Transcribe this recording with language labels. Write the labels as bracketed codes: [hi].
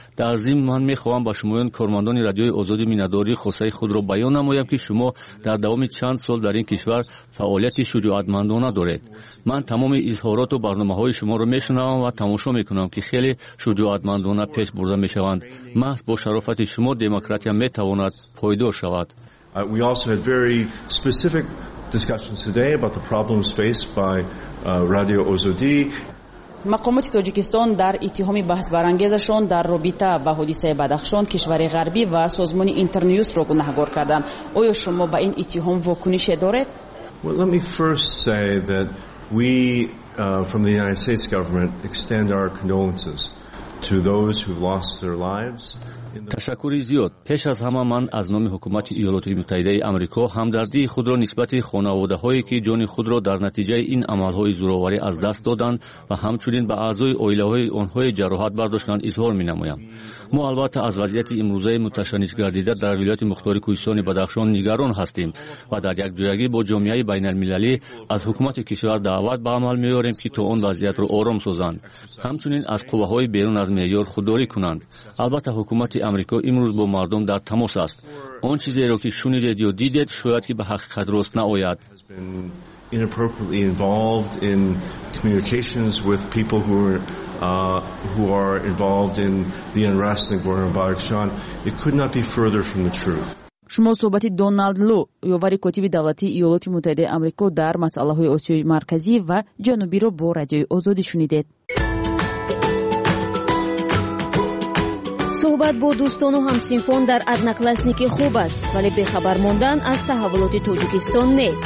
[tg] در ضمن من می خواهم با شمایان کارمندان رادیوی آزادی مینداری خواسته خود را بیان نمایم که شما در دوام چند سال در این کشور فعالیت شجاعتمندانه دارید. من تمام اظهارات و برنامه های شما را می شنوم و تماشا می کنم که خیلی شجاعتمندانه پیش برده می شوند. محض با شرافت شما دموکراسی می تواند پایدار شود. [en] We also had very specific discussions today about the problems faced by Radio Ozodi. [tg] مقامات تاجیکستان در اتهام بحث برانگیزشان در رابطه با حادثه بدخشان کشور غربی و سازمان اینترنیوز را گناهکار کردند. آیا شما به این اتهام واکنشی دارید؟ [en] Well, let me first say that we from the United States government extend our condolences. to those who've lost their lives. [tg] تشکری زیاد. پیش از همه من از نام حکومت ایالات متحده آمریکا همدردی خود را نسبت خانواده هایی که جان خود را در نتیجه این عمل های زورآوری از دست دادند و همچنین به اعضای آیله های آنهای جراحت برداشتند اظهار می نمایم. ما البته از وضعیت امروزه متشنج گردیده در ولایت مختار کوهستان بدخشان نگران هستیم و در یک جویگی با جامعه بین المللی از حکومت کشور دعوت به عمل می آوریم که تا آن وضعیت را آرام سازند، همچنین از قوه های بیرون از معیار خودداری کنند. البته حکومت امریکا امروز با مردم در تماس است. آن چیزی را که شنیدید یا دیدید شاید که به حقیقت راست نآید. [en] Inappropriately involved in communications with people who are involved in the unrest in Gorno-Badakhshan. It could not be further from the truth. [tg] شما صحبتی دونالد لو یووری کتیب دولتی ایالات متحده آمریکا در مسائل آسیای مرکزی و جنوبی را با رادیوی آزادی شنیدید. صحبت با دوستان و همسینفون در ادناکلاسنیک خوب است، ولی بی‌خبر ماندن از تحولات تاجیکستان نه.